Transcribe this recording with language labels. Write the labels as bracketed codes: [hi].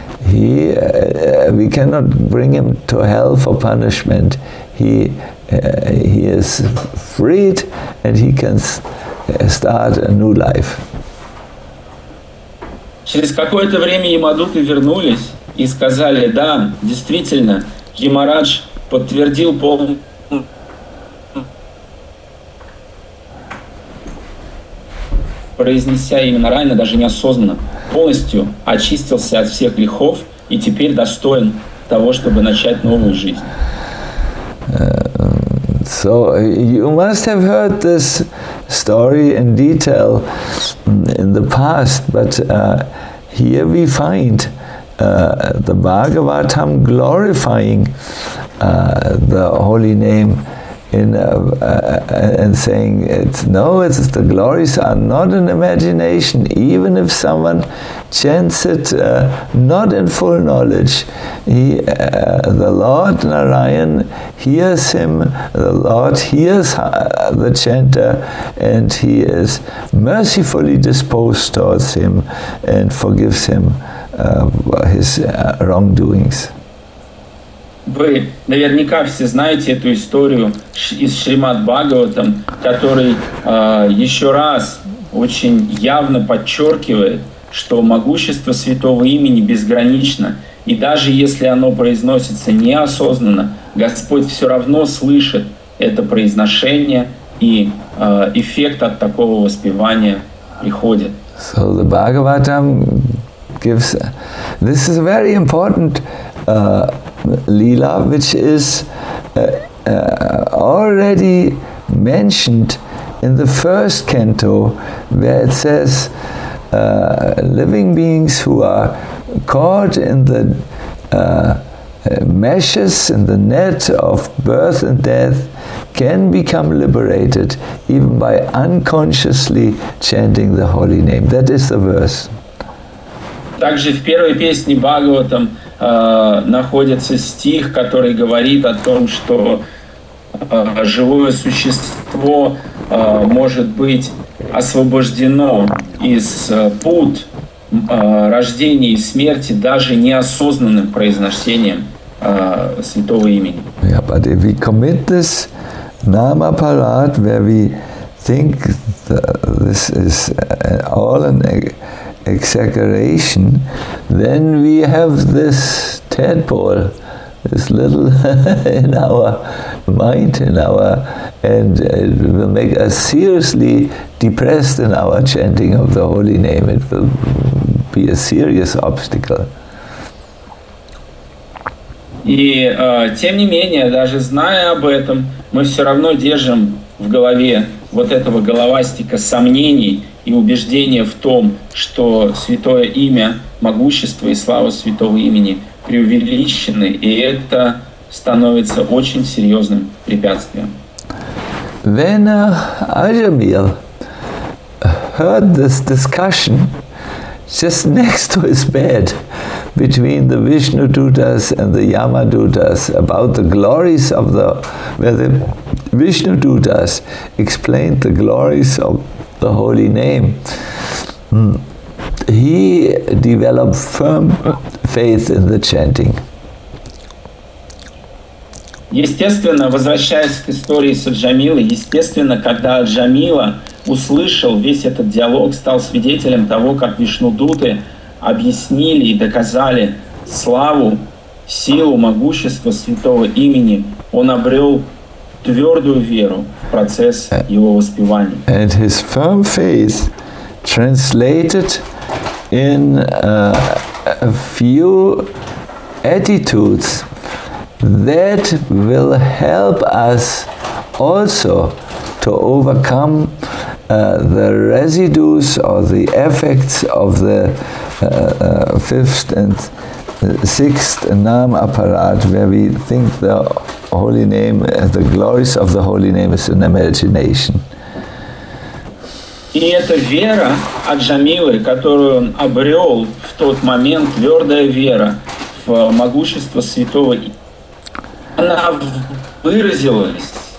[en] We cannot bring him to hell for punishment. He is freed, and he can start a new life. [ru] Через какое-то время Ямадуты вернулись и сказали: да, действительно, Ямарадж подтвердил полную. Произнеся имя Нараяна, даже неосознанно, полностью очистился от всех грехов и теперь достоин того, чтобы начать новую жизнь. [en] So you must have heard this story in detail in the past, but here we find the Bhagavatam glorifying the holy name and saying it's the glories are not an imagination. Even if someone chants it not in full knowledge, the Lord Narayan hears him, the Lord hears the chanter, and he is mercifully disposed towards him and forgives him his wrongdoings. [ru] Вы наверняка все знаете эту историю из Шримад Бхагаватам, который еще раз очень явно подчеркивает, что могущество святого имени безгранично, и даже если оно произносится неосознанно, Господь все равно слышит это произношение, и эффект от такого воспевания приходит. [en] So the Bhagavatam gives... This is very important Lila, which is already mentioned in the first canto, where it says living beings who are caught in the meshes, in the net of birth and death, can become liberated even by unconsciously chanting the holy name. That is the verse. [ru] Также в первой песне Бхагаватам находится стих, который говорит о том, что живое существо может быть освобождено из пут рождения и смерти даже неосознанным произношением святого имени. [en] Yeah, but if we commit this namaparad, where we think this is all an exaggeration, then we have this tadpole, this little in our mind, and it will make us seriously depressed in our chanting of the holy name. It will be a serious obstacle. [ru] И тем не менее, даже зная об этом, мы все равно держим в голове вот этого головастика сомнений и убеждения в том, что святое имя, могущество и слава святого имени преувеличены, и это становится очень серьезным препятствием. [en] When Ajamil heard this discussion just next to his bed between the Vishnu Dutas and the Yama Dutas about the glories of the, where the Vishnu Dutas explained the glories of the holy name, he developed firm faith in the chanting. [ru] Естественно, возвращаясь к истории с Аджамилой, естественно, когда Аджамила услышал весь этот диалог, стал свидетелем того, как Вишнудуты объяснили и доказали славу, силу, могущество святого имени, он обрел твердую веру в процесс его воспевания. [en] And his firm faith translated in a few attitudes that will help us also to overcome the residues or the effects of the fifth and sixth nam apparat, where we think the holy name, the glories of the holy name, is an imagination. [ru] И эта вера Аджамилы, которую он обрел в тот момент, твердая вера в могущество святого, она выразилась.